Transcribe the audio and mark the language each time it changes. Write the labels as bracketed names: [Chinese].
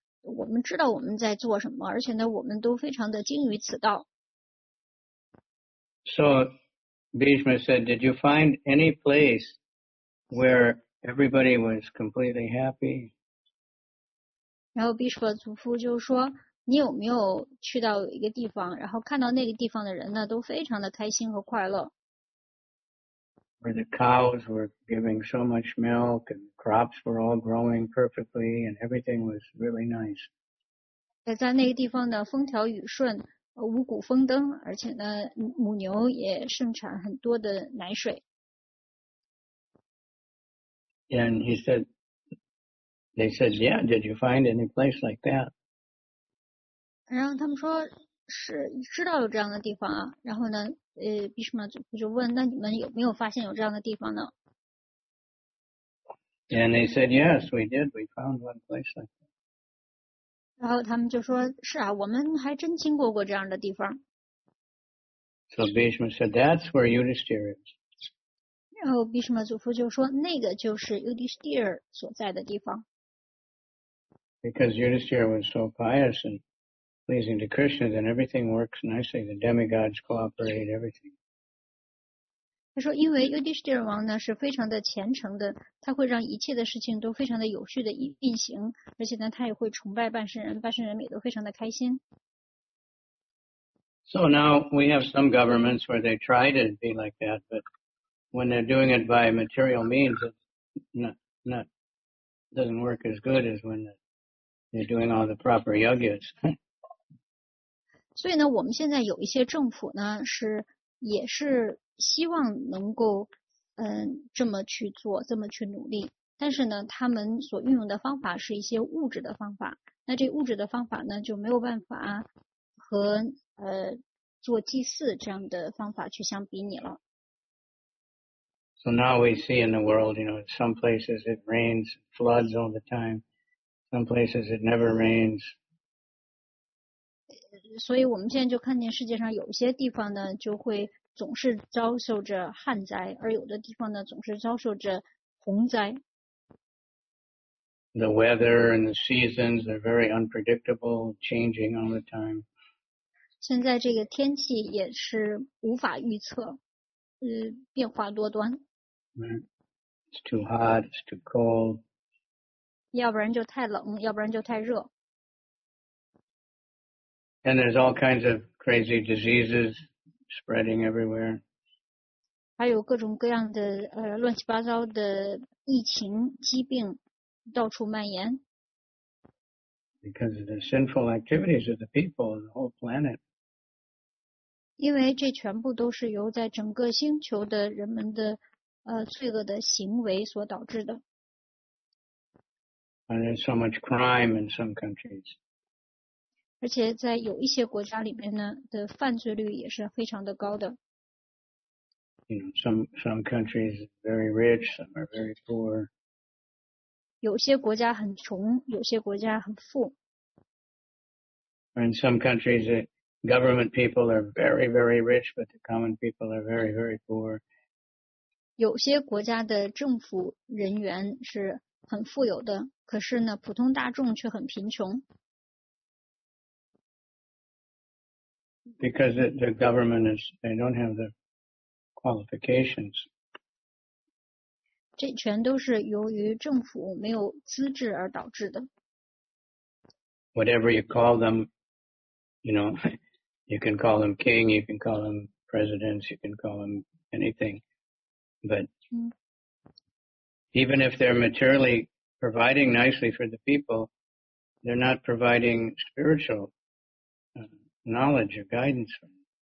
[Chinese] 我们知道我们在做什么，而且呢，我们都非常的精于此道。 [English] So Bhishma said, "Did you find any place where everybody was completely happy?" [Chinese] 然后 Bhishma 祖父就说，你有没有去到一个地方，然后看到那个地方的人呢，都非常的开心和快乐。 [English] Where the cows were giving so much milk and crops were all growing perfectly and everything was really nice. [Chinese] 在那个地方呢，风调雨顺，五谷丰登，而且呢，母牛也盛产很多的奶水。 [English] And he said, they said, yeah, did you find any place like that? [Chinese] 然后他们说，是知道有这样的地方啊，然后呢，Bhishma 祖父就问，那你们有没有发现有这样的地方呢？ [English] And they said, yes, we did, we found one place like that. [Chinese] 然后他们就说，是啊，我们还真经过过这样的地方。 [English] So Bhishma said, that's where Yudhishthira is. [Chinese] 然后 Bhishma 祖父就说，那个就是 Yudhishthira 所在的地方。 [English] Because Yudhishthira was so pious and pleasing to Krishna, then everything works nicely. The demigods cooperate, everything. [Chinese] 他说因为 Yudhishthira 王呢是非常的虔诚的，他会让一切的事情都非常的有序的运行，而且呢他也会崇拜半圣人，半圣人也都非常的开心。 [English] So now we have some governments where they try to be like that, but when they're doing it by material means, it doesn't work as good as when they're doing all the proper yogas. [Chinese] 所以呢，我们现在有一些政府呢，是也是希望能够，这么去做，这么去努力。但是呢，他们所运用的方法是一些物质的方法。那这物质的方法呢，就没有办法和做祭祀这样的方法去相比拟了。 [English] So now we see in the world, you know, some places it rains, floods all the time. Some places it never rains. [Chinese] 所以我们现在就看见世界上有些地方呢就会总是遭受着旱灾，而有的地方呢总是遭受着洪灾。 [English] The weather and the seasons are very unpredictable, changing all the time. [Chinese] 现在这个天气也是无法预测，变化多端。 [English] It's too hot, it's too cold. [Chinese] 要不然就太冷，要不然就太热。 [English] And there's all kinds of crazy diseases spreading everywhere. [Chinese] 还有各种各样的乱七八糟的疫情疾病到处蔓延。 [English] Because of the sinful activities of the people and the whole planet. [Chinese] 因为这全部都是由在整个星球的人们的罪恶的行为所导致的。 [English] And there's so much crime in some countries. [Chinese] 而且在有一些国家里面呢的犯罪率也是非常的高的。 [English] You know, some countries are very rich, some are very poor. [Chinese] 有些国家很穷，有些国家很富。 [English] In some countries, the government people are very, very rich, but the common people are very, very poor. [Chinese] 有些国家的政府人员是很富有的，可是呢，普通大众却很贫穷。 [English] Because the government is, they don't have the qualifications. [Chinese] 这全都是由于政府没有资质而导致的。 [English] Whatever you call them, you know, you can call them king, you can call them presidents, you can call them anything. But even if they're materially providing nicely for the people, they're not providing spiritual knowledge or guidance for them.